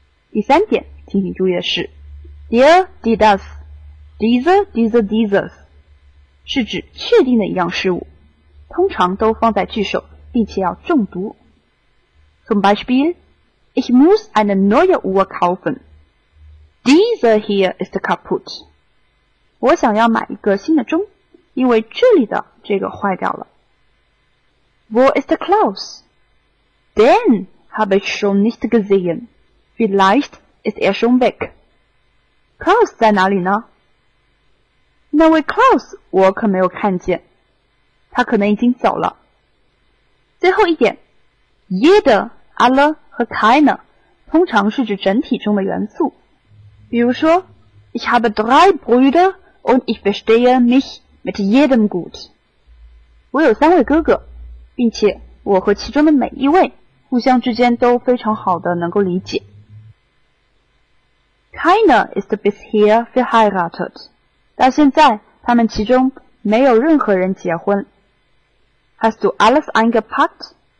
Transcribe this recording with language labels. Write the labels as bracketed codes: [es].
[zh] 第三点请你注意的是 [de] Der, die das Diese, diese, dieses [zh] 是指确定的一样事物通常都放在句首并且要重读 [de] Zum Beispiel Ich muss eine neue Uhr kaufen Diese hier ist kaputt [zh] 我想要买一个新的钟因为这里的这个坏掉了 [de] Wo ist Klaus? Den habe ich schon nicht gesehen. Vielleicht ist schon weg. [zh] Klaus 在哪里呢？那位 Klaus 我可没有看见，他可能已经走了。最后一点 ，jede、alle 和 keine 通常是指整体中的元素。比如说 [de] ，Ich habe drei Brüder und ich verstehe mich mit jedem gut. [zh] 我有三位哥哥，并且我和其中的每一位。互相之间都非常好的能够理解 [de] Keiner ist bisher verheiratet [zh] 到现在他们其中没有任何人结婚 [de] Hast du alles eingepackt?